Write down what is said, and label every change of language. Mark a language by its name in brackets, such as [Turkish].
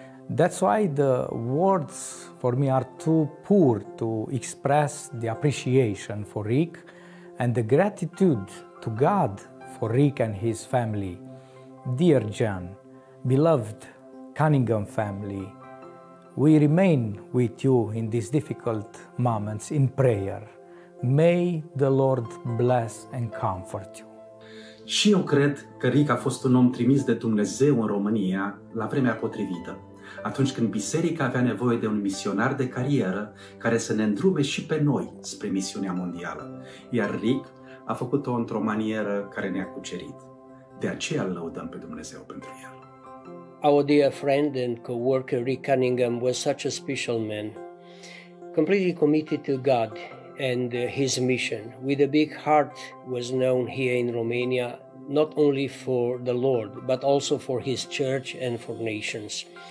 [English] That's why the words for me are too poor to express the appreciation for Rick and the gratitude to God for Rick and his family. Dear Jan, beloved Cunningham family, we remain with you in these difficult moments in prayer. May the Lord bless and comfort you. [Romanian] Și eu cred că Rick a fost un om trimis de Dumnezeu în România la vremea potrivită, atunci când biserica avea nevoie de un misionar de carieră care să ne îndrume și pe noi spre misiunea mondială. Iar Rick a făcut-o într-o manieră care ne-a cucerit. De aceea îl lăudăm pe Dumnezeu pentru el. [English] Our dear friend and co-worker Rick Cunningham was such a special man, completely committed to God and his mission. With a big heart, was known here in Romania, not only for the Lord, but also for his church and for nations.